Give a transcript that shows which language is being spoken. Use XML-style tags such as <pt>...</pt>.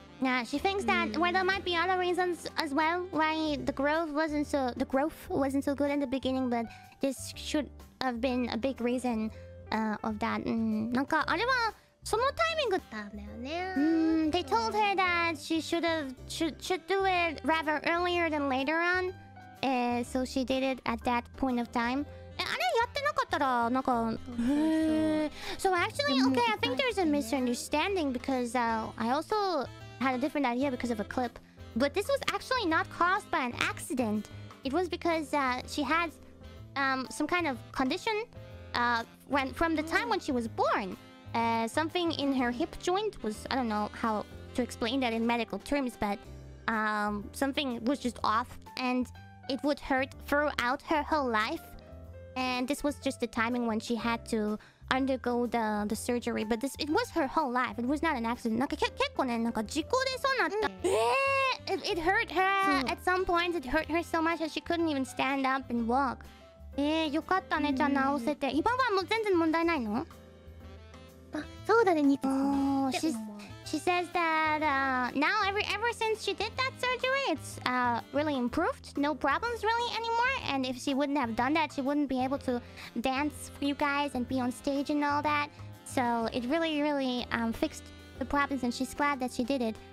<en>Yeah, she thinks that well, there might be other reasons as well why the growth wasn't so good in the beginning, but this should have been a big reason of that.</en> <ja>なんかあれはそのタイミングだよね。</ja> <en>They told her that she should do it rather earlier than later on. So she did it at that point of time.</en> <ja>あれやってなかったらなんか。</ja> <en>So actually, okay, I think there's a misunderstanding because I also had a different idea because of a clip. But this was actually not caused by an accident. It was because she had some kind of condition from the time when she was born. Something in her hip joint was, I don't know how to explain that in medical terms, but something was just off and it would hurt throughout her whole life. And this was just the timing when she had to undergo the surgery. But this, it was her whole life. It was not an accident. It hurt her at some point. It hurt her so much that she couldn't even stand up and walk.</en> <ja>よかったね、じゃあ直せて。今はもう全然問題ないの？そうだね、似てる。</ja> <en>She says that now ever since she did that surgery, it's really improved. No problems really anymore. And if she wouldn't have done that, she wouldn't be able to dance for you guys and be on stage and all that. So it really, really fixed the problems, and she's glad that she did it.</en>